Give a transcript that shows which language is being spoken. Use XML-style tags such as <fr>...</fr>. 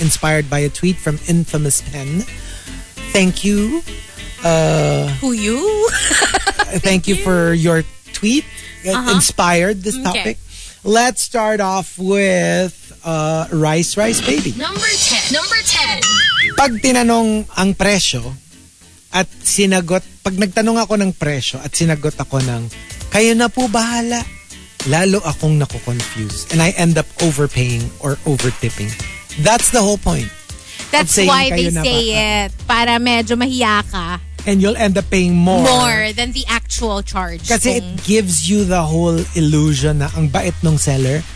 <en>Inspired by a tweet from Infamous Pen. Thank you. Thank you for your tweet. It inspired this topic. Okay. Let's start off with Rice Baby. Number 10.</en> <tl>Pag tinanong ang presyo at sinagot, pag nagtanong ako ng presyo at sinagot ako ng, kayo na po bahala. Lalo akong nako-confuse.</tl> <en>And I end up overpaying or over-tipping. That's the whole point. That's why they say it.</en> <tl>Para medyo mahiya ka.</tl> <en>And you'll end up paying more than the actual charge. Kasi it gives you the whole illusion na</en> <tl>ang bait nung seller.</tl>